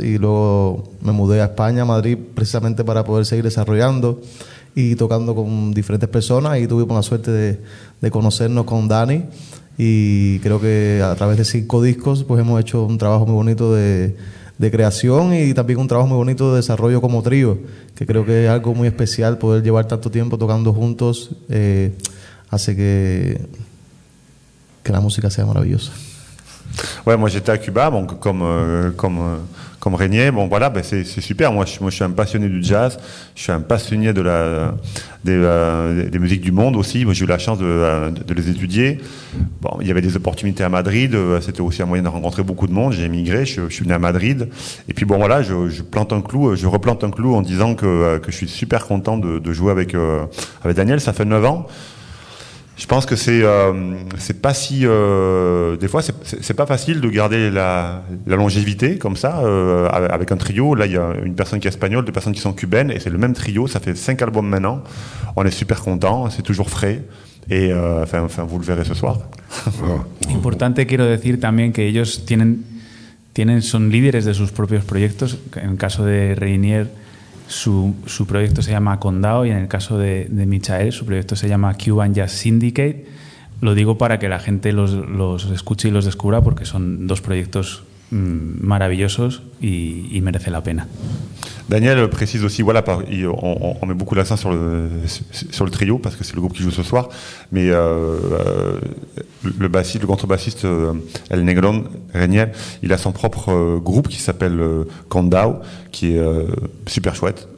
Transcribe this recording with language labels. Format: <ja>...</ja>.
<es>Y luego me mudé a España, a Madrid, precisamente para poder seguir desarrollando y tocando con diferentes personas, y tuvimos la suerte de conocernos con Dani, y creo que a través de 5 discos pues hemos hecho un trabajo muy bonito de creación y también un trabajo muy bonito de desarrollo como trío, que creo que es algo muy especial poder llevar tanto tiempo tocando juntos, hace que la música sea maravillosa.</es> <fr>Ouais, moi j'étais à Cuba, donc comme Rainier, bon voilà, ben c'est super. Moi je suis un passionné du jazz, je suis un passionné de la des musiques du monde aussi. Moi, j'ai eu la chance de les étudier. Bon, il y avait des opportunités à Madrid, c'était aussi un moyen de rencontrer beaucoup de monde. J'ai émigré, je suis venu à Madrid, et puis bon voilà, je replante un clou en disant que je suis super content de jouer avec Daniel. Ça fait 9 ans. Je pense que c'est pas si des fois c'est pas facile de garder la longévité comme ça avec un trio. Là il y a une personne qui est espagnole, 2 personnes qui sont cubaines, et c'est le même trio, ça fait 5 albums maintenant. On est super contents, c'est toujours frais, et enfin vous le verrez ce soir.</fr> <es>Importante quiero decir también que ellos son líderes de sus propios proyectos. En el caso de Rainier, su proyecto se llama Condado, y en el caso de Michael, su proyecto se llama Cuban Jazz Syndicate. Lo digo para que la gente los escuche y los descubra, porque son 2 proyectos maravillosos y merece la pena.</es> <fr>Daniel précise aussi, voilà, on met beaucoup l'accent sur le trio parce que c'est le groupe qui joue ce soir, mais le bassiste, le contrebassiste El Negron, Reniel, il a son propre groupe qui s'appelle Kandao, qui est super chouette.</fr>